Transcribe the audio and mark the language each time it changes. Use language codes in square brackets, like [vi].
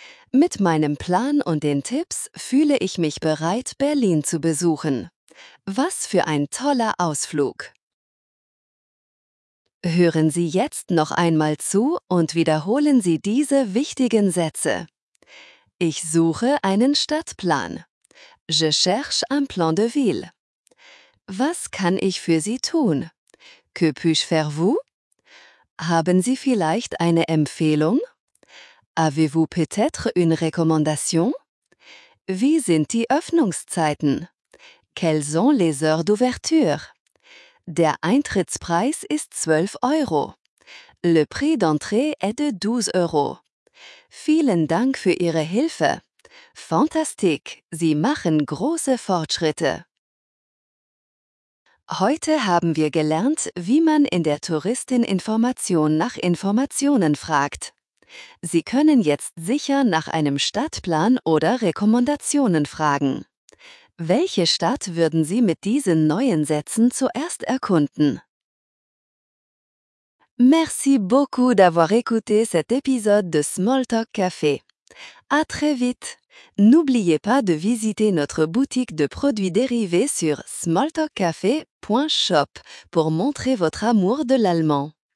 [de] Mit meinem Plan und den Tipps fühle ich mich bereit, Berlin zu besuchen. Was für ein toller Ausflug! Hören Sie jetzt noch einmal zu und wiederholen Sie diese wichtigen Sätze. Ich suche einen Stadtplan. [fr] Je cherche un plan de ville. [de] Was kann ich für Sie tun? [fr] Que puis-je faire vous? [de] Haben Sie vielleicht eine Empfehlung? [fr] Avez-vous peut-être une recommandation? [de] Wie sind die Öffnungszeiten? [fr] Quelles sont les heures d'ouverture? [de] Der Eintrittspreis ist 12 Euro. [fr] Le prix d'entrée est de 12 Euro. [de] Vielen Dank für Ihre Hilfe. Fantastique, Sie machen große Fortschritte. Heute haben wir gelernt, wie man in der Touristeninformation nach Informationen fragt. Sie können jetzt sicher nach einem Stadtplan oder Rekommendationen fragen. Welche Stadt würden Sie mit diesen neuen Sätzen zuerst erkunden? [fr] Merci beaucoup d'avoir écouté cet épisode de Small Talk Café. À très vite! N'oubliez pas de visiter notre boutique de produits dérivés sur smalltalkcafe.shop pour montrer votre amour de l'allemand.